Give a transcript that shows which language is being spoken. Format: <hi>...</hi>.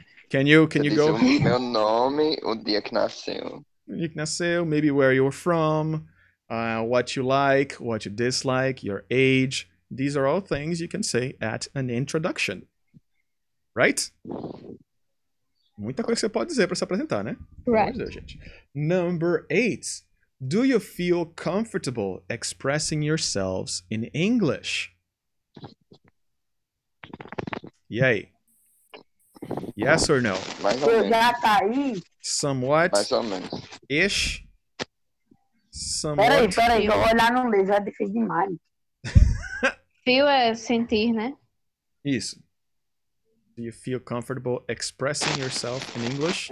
<en>Can you go?</en> <pt>Meu nome, o dia que nasceu. O dia que nasceu,</pt> <en>maybe where you're from, what you like, what you dislike, your age. These are all things you can say at an introduction. Right?</en> <pt>Muita coisa que você pode dizer para se apresentar, né?</pt> <en>Right.</en> <pt>Dizer, gente.</pt> <en>Number 8. Do you feel comfortable expressing yourselves in English?</en> <pt>E aí?</pt> <en>Yes or no?</en> <pt>Mais ou menos. Já tá aí?</pt> <en>Somewhat.</en> <pt>Mais ou menos.</pt> <en>Ish. Somewhat.</en> <pt>Peraí, eu vou olhar no livro, é difícil demais. Feel é sentir, né? Isso.</pt> <en>Do you feel comfortable expressing yourself in English?</en>